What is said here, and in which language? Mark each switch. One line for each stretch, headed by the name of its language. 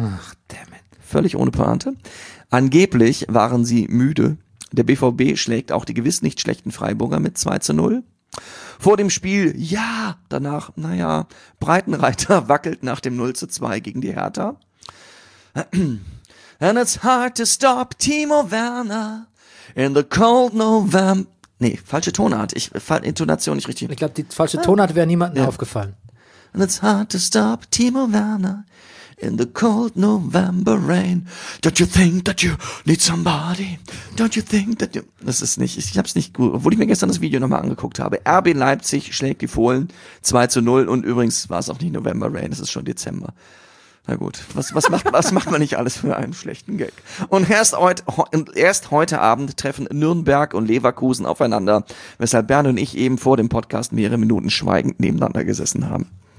German: Ach,
English: damn it.
German: Völlig ohne Pointe. Angeblich waren sie müde. Der BVB schlägt auch die gewiss nicht schlechten Freiburger mit 2-0. Vor dem Spiel, ja, danach, naja, Breitenreiter wackelt nach dem 0-2 gegen die Hertha.
English: And it's hard to stop Timo Werner in the cold November.
German: Nee, falsche Tonart. Intonation nicht richtig. Ich glaube, die falsche Tonart wäre niemandem aufgefallen.
English: And it's hard to stop Timo Werner in the cold November rain. Don't you think that you need somebody? Don't you think that you...
German: Das ist nicht, ich hab's nicht gut, obwohl ich mir gestern das Video nochmal angeguckt habe. RB Leipzig schlägt die Fohlen 2-0 und übrigens war es auch nicht
English: November rain,
German: es ist schon Dezember. Na gut, was macht man nicht alles für einen schlechten Gag? Und erst heute Abend treffen Nürnberg und Leverkusen aufeinander, weshalb Bernd und ich eben vor dem Podcast mehrere Minuten schweigend nebeneinander gesessen haben.